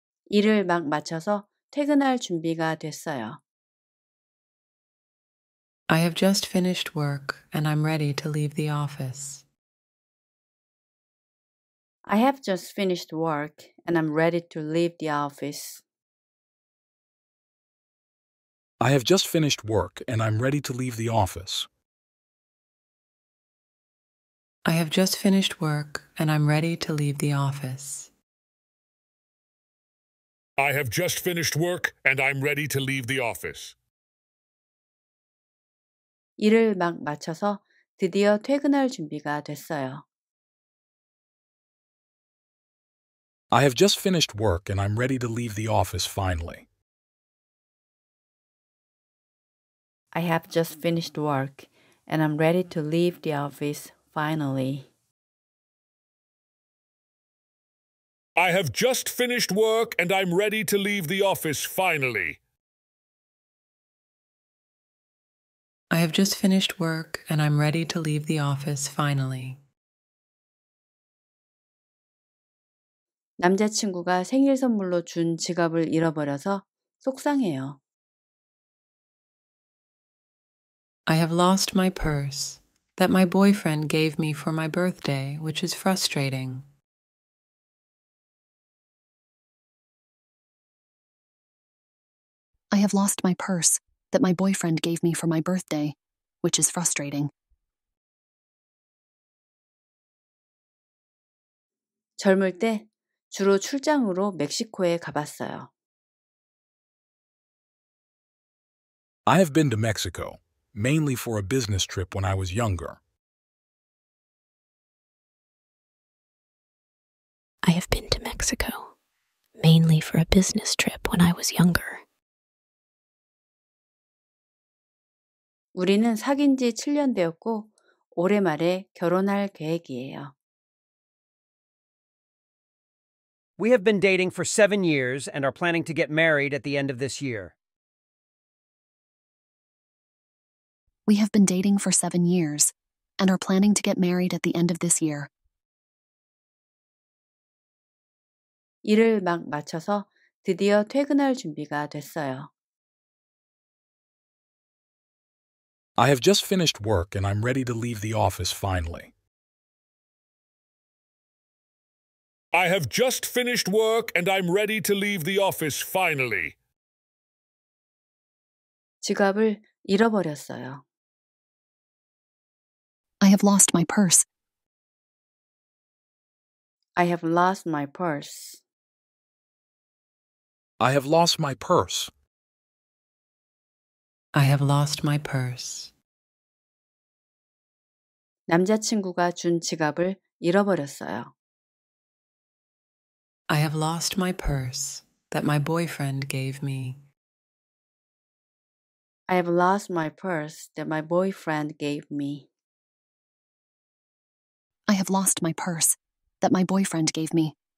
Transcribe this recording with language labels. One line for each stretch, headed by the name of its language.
Korean: 일을 막 마쳐서 퇴근할 준비가 됐어요.
English: I have just finished work and I'm ready to leave the office. I have just finished work and I'm ready to leave the office. I have just finished work and I'm ready to leave the office. I have just finished work and I'm ready to leave the office. I have just finished work and I'm ready to leave the office.
Korean: 일을 막 마쳐서 드디어 퇴근할 준비가 됐어요.
English: I have just finished work and I'm ready to leave the office finally. I have just finished work and I'm ready to leave the office finally. I have just finished work and I'm ready to leave the office finally. I have just finished work and I'm ready to leave the office finally.
Korean: 남자친구가 생일 선물로 준 지갑을 잃어버려서 속상해요.
English: I have lost my purse that my boyfriend gave me for my birthday, which is frustrating. I have lost my purse that my boyfriend gave me for my birthday, which is frustrating.
Korean: 젊을 때 주로 출장으로 멕시코에 가봤어요.
English: I have been to Mexico, mainly for a business trip when I was younger. I have been to Mexico, mainly for a business trip when I was younger.
Korean: 우리는 사귄 지 7년 되었고 올해 말에 결혼할 계획이에요.
English: We have been dating for 7 years and are planning to get married at the end of this year. We have been dating for 7 years and are planning to get married at the end of this year.
Korean: 일을 막 마쳐서 드디어 퇴근할 준비가 됐어요.
English: I have just finished work and I'm ready to leave the office finally. I have just finished work and I'm ready to leave the office finally.
Korean: 지갑을 잃어버렸어요.
English: I have lost my purse. I have lost my purse. I have lost my purse. I have lost my purse.
Korean: 남자친구가 준 지갑을 잃어버렸어요.
English: I have lost my purse that my boyfriend gave me. I have lost my purse that my boyfriend gave me. I have lost my purse that my boyfriend gave me.